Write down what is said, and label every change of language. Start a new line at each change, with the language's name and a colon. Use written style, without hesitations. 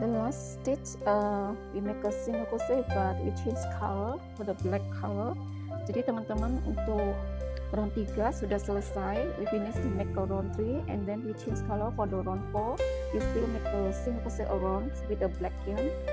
English: stitch, we make a single crochet, but we change color for the black color.
Indonesian: Jadi teman-teman untuk round 3 sudah selesai.
English: We finish to make a round 3 and then we change color for the round 4. We still make a single crochet around with the black yarn.